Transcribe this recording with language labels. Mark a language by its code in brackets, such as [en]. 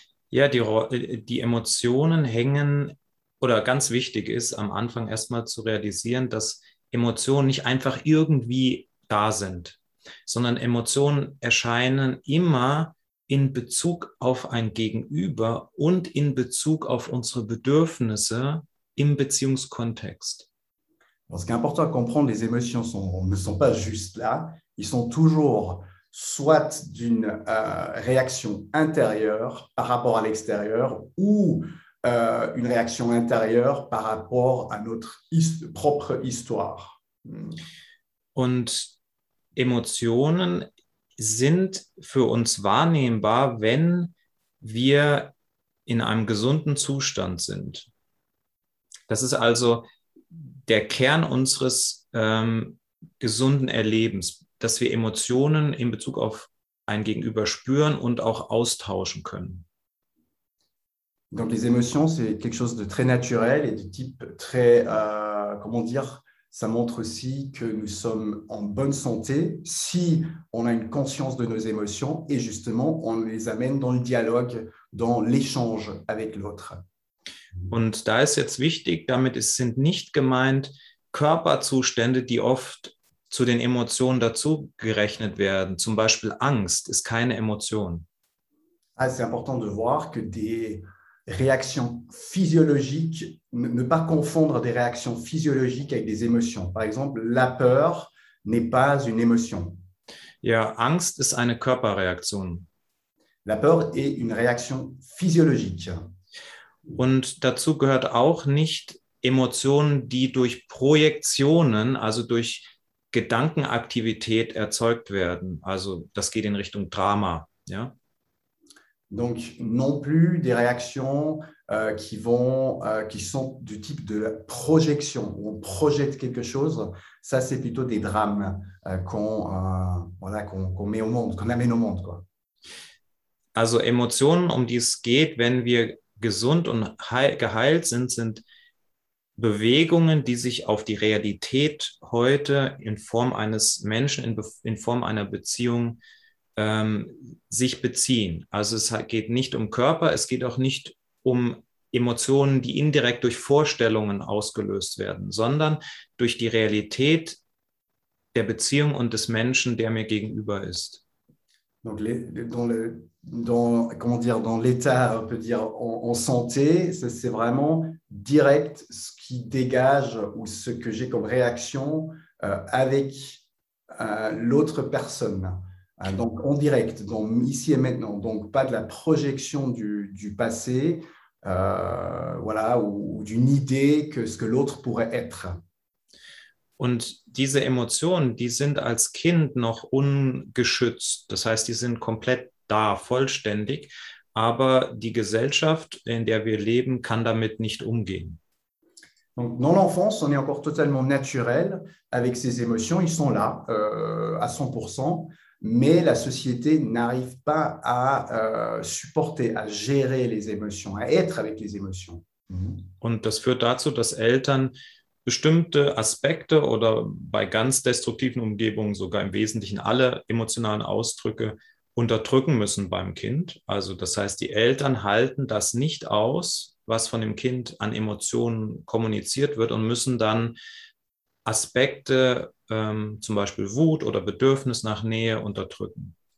[de] Ja, die Emotionen hängen, oder ganz wichtig ist, am Anfang erstmal zu realisieren, dass Emotionen nicht einfach irgendwie da sind, sondern Emotionen erscheinen immer in Bezug auf ein Gegenüber und in Bezug auf unsere Bedürfnisse im Beziehungskontext. [fr] Ce qui est important à comprendre, les émotions ne sont pas juste là. Ils sont toujours soit d'une réaction intérieure par rapport à l'extérieur ou une réaction intérieure par rapport à notre propre histoire. [de] Und Emotionen sind für uns wahrnehmbar, wenn wir in einem gesunden Zustand sind. Das ist also der Kern unseres gesunden Erlebens, dass wir Emotionen in Bezug auf ein Gegenüber spüren und auch austauschen können. [fr] Donc les émotions, c'est quelque chose de très naturel et de type très, comment dire, ça montre aussi que nous sommes en bonne santé si on a une conscience de nos émotions et justement, on les amène dans le dialogue, dans l'échange avec l'autre. [de] Und da ist jetzt wichtig, damit es sind nicht gemeint Körperzustände, die oft zu den Emotionen dazu gerechnet werden. Zum Beispiel Angst ist keine Emotion. [fr] Ah, c'est important de voir que des réactions physiologiques ne pas confondre des réactions physiologiques avec des émotions. Par exemple, la peur n'est pas une émotion. [de] Ja, Angst ist eine Körperreaktion. [fr] La peur est une réaction physiologique. [de] Und dazu gehört auch nicht Emotionen, die durch Projektionen, also durch Gedankenaktivität erzeugt werden. Also das geht in Richtung Drama. Ja? [fr] Donc non plus des réactions qui sont du type de projection, où on projette quelque chose. Ça, c'est plutôt des drames qu'on met au monde, qu'on amène au monde, quoi. [de] Also Emotionen, um die es geht, wenn wir gesund und geheilt sind, sind Bewegungen, die sich auf die Realität heute in Form eines Menschen, in Form einer Beziehung sich beziehen. Also es geht nicht um Körper, es geht auch nicht um Emotionen, die indirekt durch Vorstellungen ausgelöst werden, sondern durch die Realität der Beziehung und des Menschen, der mir gegenüber ist. [fr] Donc dans l'état, on peut dire en santé, c'est vraiment direct ce qui dégage ou ce que j'ai comme réaction avec l'autre personne. Donc en direct, donc ici et maintenant, donc pas de la projection du passé, voilà, ou d'une idée que ce que l'autre pourrait être. [de] Und diese Emotionen, die sind als Kind noch ungeschützt. Das heißt, die sind komplett da, vollständig. Aber die Gesellschaft, in der wir leben, kann damit nicht umgehen. [fr] Donc, dans l'enfance, on est encore totalement naturel avec ces émotions. Ils sont là, à 100%. Mais la société n'arrive pas à supporter, à gérer les émotions, à être avec les émotions. [de] Und das führt dazu, dass Eltern bestimmte Aspekte oder bei ganz destruktiven Umgebungen sogar im Wesentlichen alle emotionalen Ausdrücke unterdrücken müssen beim Kind. Also das heißt, die Eltern halten das nicht aus, was von dem Kind an Emotionen kommuniziert wird und müssen dann Aspekte, zum Beispiel Wut oder Bedürfnis nach Nähe, unterdrücken.